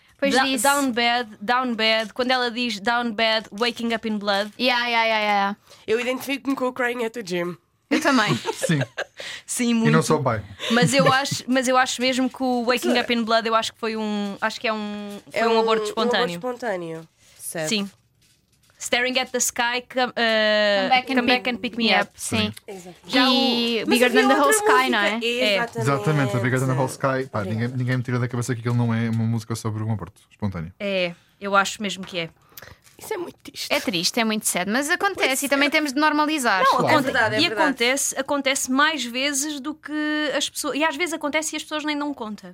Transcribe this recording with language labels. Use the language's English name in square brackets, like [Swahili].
[Portuguese] Pois disse. Down bed. Quando ela diz [English] down bed, waking up in blood. Yeah. [Portuguese] Eu identifico-me com o [English] crying at the gym. [Portuguese] Eu também. Sim. Sim, muito. E não sou pai. Mas eu acho mesmo que o Waking Up in Blood, eu acho que foi um. Acho que é um aborto espontâneo. Um aborto espontâneo. Certo. Sim. [English] Staring at the sky, come back and pick me up. [Portuguese] Sim. Exato. Já o Bigger Than the Whole Sky, não é? Exatamente. Exatamente, a Bigger Than the Whole Sky. Pá, ninguém me tira da cabeça que aquilo não é uma música sobre um aborto espontâneo. É, eu acho mesmo que é. Isso é muito triste. É triste, é muito sério, mas acontece e também temos de normalizar. Não, claro. É verdade. E acontece mais vezes do que as pessoas. E às vezes acontece e as pessoas nem dão conta.